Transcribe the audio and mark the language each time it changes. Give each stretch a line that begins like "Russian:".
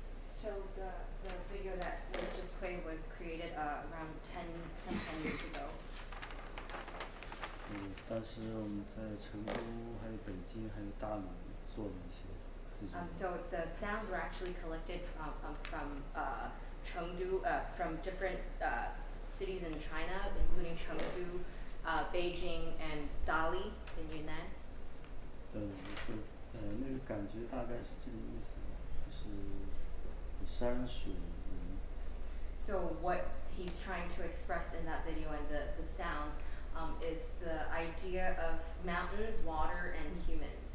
English: So the video that was just played was created around 10 years ago.
Chinese: 但是我们在成都、还有北京、还有大理做了一些事情。
English: So the sounds were actually collected from Chengdu, from different cities in China, including Chengdu, Beijing, and Dali in Yunnan.
Chinese: 对，就那个感觉大概是这个意思，就是山水云。
English: So what he's trying to express in that video and the sounds. Is the idea of mountains, water, and humans.